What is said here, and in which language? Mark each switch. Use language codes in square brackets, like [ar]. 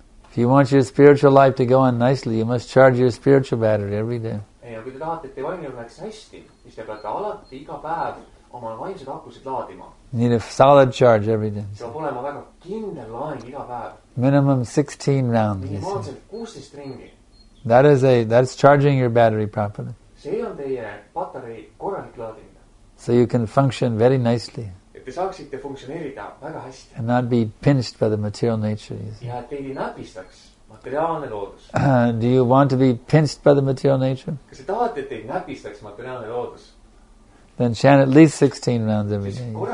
[en] If you want your spiritual life to go on nicely, you must charge your spiritual battery every day. [et] Ja kui te tahate, et te vaimne oleks hästi, siis te peate alati iga päev oma vaimsed akusid laadima. [en] You need a solid charge every day. [et] See on olema väga kindel laeng iga päev. [en] Minimum 16 rounds. You see. [et] 16 ringi. [en] That's charging your battery properly. [et] See on teie batterei korralik laadimine. [en] So you can function very nicely. [et] Et te saaksite funktsioneerida väga hästi. [en] And not be pinched by the material nature. [et] Ja et teid ei näpistaks materiaalne loodus. [en] Do you want to be pinched by the material nature? [et] Kas te tahate, et teid näpistaks materiaalne loodus? [en] Then chant at least 16 rounds every day.